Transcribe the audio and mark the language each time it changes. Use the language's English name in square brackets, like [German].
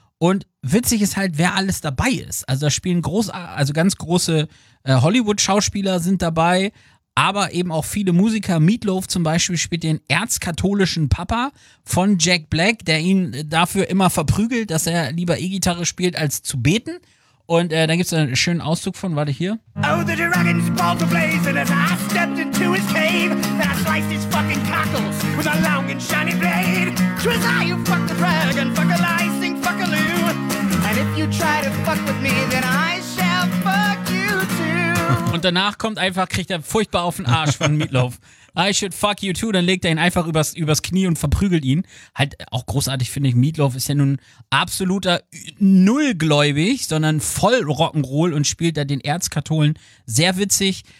[German] Und witzig ist halt, wer alles dabei ist. Also da spielen ganz große Hollywood-Schauspieler sind dabei, aber eben auch viele Musiker. Meatloaf zum Beispiel spielt den erzkatholischen Papa von Jack Black, der ihn dafür immer verprügelt, dass er lieber E-Gitarre spielt, als zu beten. Und da gibt es einen schönen Auszug von, warte hier. [English] Oh, the dragon's balls ablaze, and as I stepped into his cave, and I sliced his fucking cockles with a long and shiny blade. Twas I who fucked the dragon, fuck a lie, sing fuck a loo. And if you try to fuck with me, then I shall fuck you too. [German] Und danach kriegt er furchtbar auf den Arsch von Meatloaf. [English] I should fuck you too, [German] dann legt er ihn einfach übers Knie und verprügelt ihn. Halt auch großartig, finde ich, Meatloaf ist ja nun absoluter Nullgläubig, sondern voll Rock'n'Roll und spielt da den Erzkatholen. Sehr witzig.